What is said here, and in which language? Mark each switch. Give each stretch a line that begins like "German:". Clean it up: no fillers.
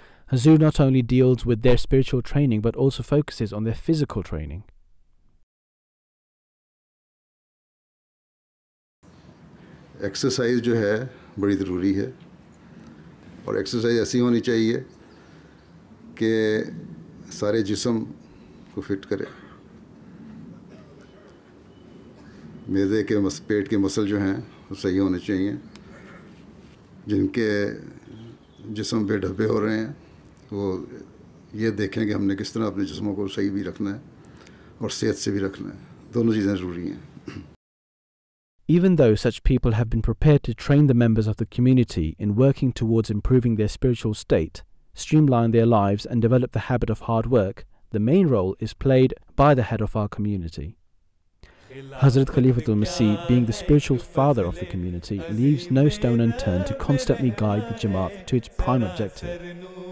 English: Hazoor not only deals with their spiritual training but also focuses on their physical training.
Urdu: Exercise جو ہے بڑی ضروری ہے اور exercise ایسی ہونی چاہیے کہ سارے جسم کو فٹ کرے. میدے کے پیٹ کے مسل جو ہیں وہ صحیح ہونے چاہیے, جن کے جسم بے ڈھبے ہو رہے ہیں وہ یہ دیکھیں کہ ہم نے کس طرح اپنے جسموں کو صحیح بھی رکھنا ہے اور صحت سے بھی رکھنا ہے, دونوں چیزیں ضروری ہیں.
English: Even though such people have been prepared to train the members of the community in working towards improving their spiritual state, streamline their lives and develop the habit of hard work, the main role is played by the head of our community. Hazrat Khalifatul Masih, being the spiritual father of the community, leaves no stone unturned to constantly guide the Jamaat to its prime objective.